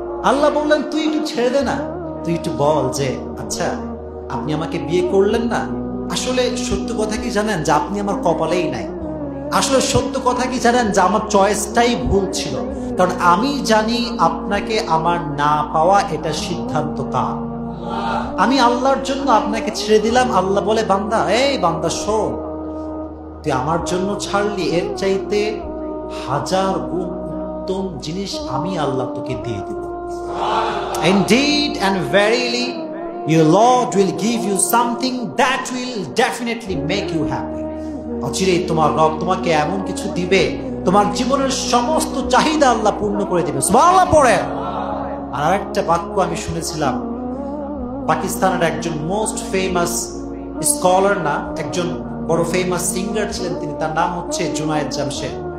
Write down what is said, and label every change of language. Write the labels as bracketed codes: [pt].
[bn] আল্লাহ বললেন তুই একটু ছেড়ে দে না, তুই একটু বল যে আচ্ছা আপনি আমাকে বিয়ে করলেন না, আসলে সত্য কথা কি জানেন যে আপনি আমার কপালেই নাই, আসলে সত্য কথা কি জানেন যে আমার চয়েসটাই ভুল ছিল, কারণ আমি জানি আপনাকে আমার না পাওয়া এটা সিদ্ধান্ত কার, আমি আল্লাহর জন্য আপনাকে ছেড়ে দিলাম। আল্লাহ বলে বান্দা, এই বান্দা শোন, তুই আমার জন্য ছাড়লি, এর চাইতে হাজার গুণ উত্তম জিনিস আমি আল্লাহ তোকে দিয়ে দিব। [en] Indeed and verily your Lord will give you something that will definitely make you happy. [bn] অচিরেই তোমার রব তোমাকে এমন কিছু দিবে তোমার জীবনের সমস্ত চাহিদা আল্লাহ পূর্ণ করে দিবে। সুবহানাল্লাহ। পড়ে আর একটা বাক্য আমি শুনেছিলাম, পাকিস্তানের একজন মোস্ট ফেমাস স্কলার না একজন বড় ফেমাস সিঙ্গার ছিলেন তিনি, তার নাম হচ্ছে জুনায়েদ জামশেদ।